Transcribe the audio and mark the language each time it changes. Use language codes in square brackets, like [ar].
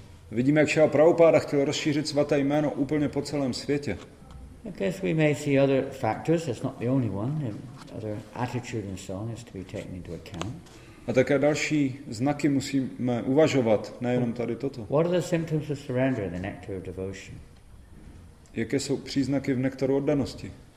[cs] Vidíme, jak Šrila Prabhupáda chtěl rozšířit svaté jméno úplně po celém světě. [en] I guess we may see other factors. It's not the only one. Other attitude and so on has to be taken into account. [cs] A také další znaky musíme uvažovat, nejenom tady toto. [en] What are the symptoms of surrender in the nectar of devotion? [cs] Jaké jsou příznaky v nektaru oddanosti?